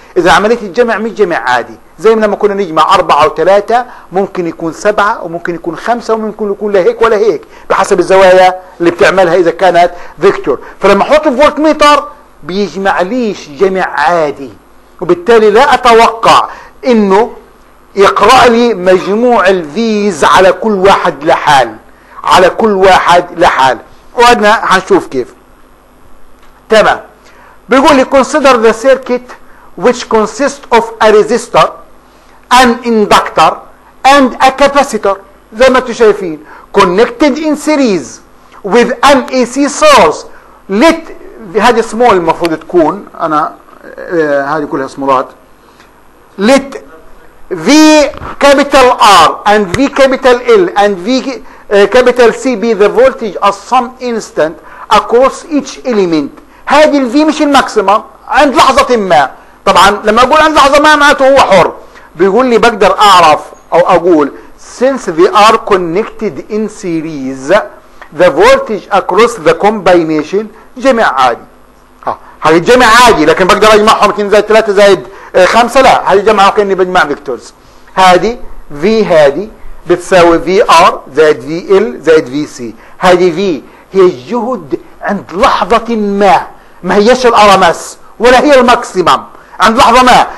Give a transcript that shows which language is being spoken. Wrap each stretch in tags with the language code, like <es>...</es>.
<ar>اذا عمليه الجمع مش جمع عادي، زي لما كنا نجمع 4 و3 ممكن يكون 7 وممكن يكون 5 وممكن يكون لا هيك ولا هيك بحسب الزوايا اللي بتعملها اذا كانت فيكتور. فلما احط الفولت ميتر بيجمع ليش جمع عادي، وبالتالي لا اتوقع انه يقرا لي مجموع الفيز على كل واحد لحال، على كل واحد لحال. وعدنا هنشوف كيف. تمام، بيقول لي</ar> <en>consider the circuit which consists of a resistor, an inductor and a capacitor</en> <ar>زي ما انتم شايفين</ar> <en>connected in series with an AC source.</en> <ar>let هذه small المفروض تكون، انا هذه كلها سمولات.</ar> <en>let V capital R and V capital L and V capital C be the voltage at some instant across each element.</en> <ar>هذه الفي مش الماكسيمم، عند لحظة ما. طبعا لما اقول عند لحظة ما معناته هو حر. بيقول لي بقدر اعرف او اقول</ar> <en>since they are connected in series the voltage across the combination</en> <ar>جمع عادي. هذه جمع عادي، لكن بقدر اجمعهم 2 زائد 3 زائد 5؟ لا، هذه جمع كاني بجمع فيكتورز. هذه في، هذه بتساوي في ار زائد في ال زائد في سي. هذه في هي الجهد عند لحظة ما، ما هيش الار ام اس ولا هي الماكسيمم، عند لحظة ما.</ar>